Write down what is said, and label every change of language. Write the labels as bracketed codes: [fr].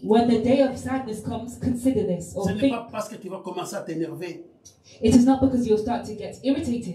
[en] When the day of sadness comes, consider this. Or [fr] ce [en] think. [fr] N'est pas parce que tu vas commencer à t'énerver. [en] It is not because you'll start to get irritated